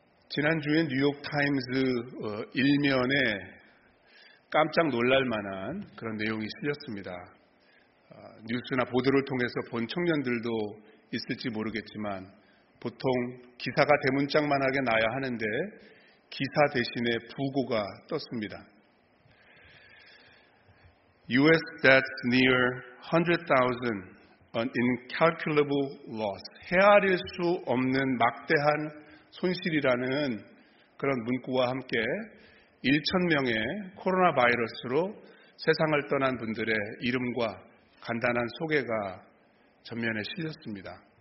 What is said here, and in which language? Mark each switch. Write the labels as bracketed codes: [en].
[ko] 지난주에 뉴욕타임스 1면에 깜짝 놀랄만한 그런 내용이 실렸습니다. 뉴스나 보도를 통해서 본 청년들도 있을지 모르겠지만 보통 기사가 대문짝만하게 나야 하는데 기사 대신에 부고가 떴습니다. [en] U.S. debts near 100,000, an incalculable loss. [ko] 헤아릴 수 없는 막대한 손실이라는 그런 문구와 함께 1,000명의 코로나 바이러스로 세상을 떠난 분들의 이름과 간단한 소개가 전면에 실렸습니다.